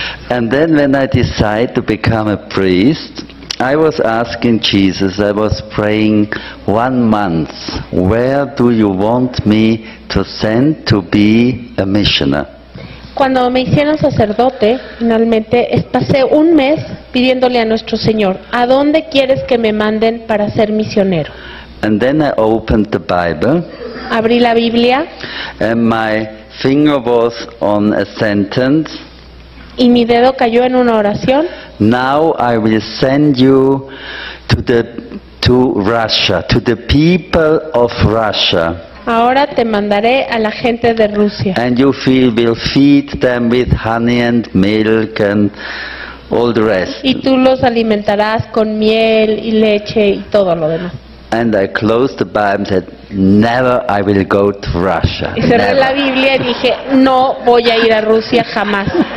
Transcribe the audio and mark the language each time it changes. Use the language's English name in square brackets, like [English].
[English] And then when I decided to become a priest, I was asking Jesus, I was praying 1 month, where do you want me to send to be a missioner? [Spanish] Cuando me hicieron sacerdote, finalmente pasé un mes pidiéndole a Nuestro Señor, ¿a dónde quieres que me manden para ser misionero? [English] And then I opened the Bible. [Spanish] Abrí la Biblia. [English] And my finger was on a sentence. [Spanish] Y mi dedo cayó en una oración. [English] Now I will send you to Russia, to the people of Russia. [Spanish] Ahora te mandaré a la gente de Rusia. [English] And you will feed them with honey and milk and all the rest. [Spanish] Y tú los alimentarás con miel y leche y todo lo demás. [English] And I closed the Bible and said, never I will go to Russia. [Spanish] Y cerré la Biblia y dije, no voy a ir a Rusia jamás.